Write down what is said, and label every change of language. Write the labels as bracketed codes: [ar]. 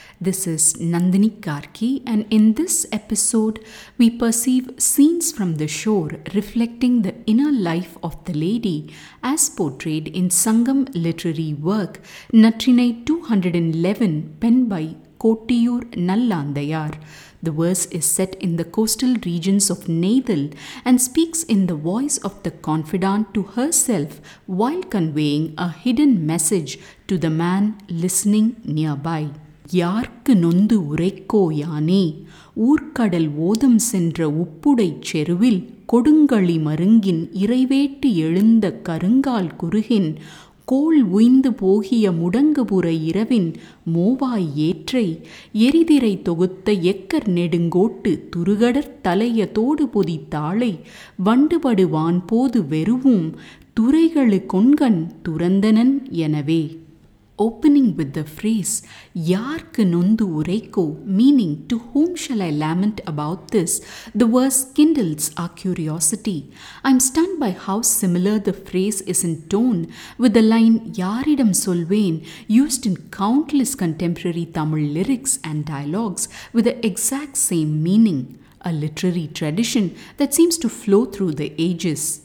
[en] This is Nandini Karki, and in this episode, we perceive scenes from the shore reflecting the inner life of the lady as portrayed in Sangam literary work Natrinai 211, penned by Kottiyoor Nallanthaiyaar. The verse is set in the coastal regions of Neythal and speaks in the voice of the confidante to herself while conveying a hidden message to the man listening nearby. [ta] யார்க்கு நொந்து உரைக்கோ யானே ஊர்க்கடல் ஓதம் சென்ற உப்புடைச் செருவில் கொடுங்களி மருங்கின் இறைவேட்டு எழுந்த கருங்கால் குறுகின் கோல் உய்ந்து போகிய முடங்குபுர இரவின் மோவாய் ஏற்றை எரிதிரை தொகுத்த acre நெடுங்கோட்டு துருகடற் தலைய தோடு பொதி தாளை வண்டுபடுவான் போது வெறுவும் துறைகளு கொண்கண் துறந்தனன் எனவே. [en] Opening with the phrase, [ta] Yarku nundu ureko, [en] meaning to whom shall I lament about this, the verse kindles our curiosity. I'm stunned by how similar the phrase is in tone with the line [ta] Yaridam solven, [en] used in countless contemporary Tamil lyrics and dialogues with the exact same meaning, a literary tradition that seems to flow through the ages.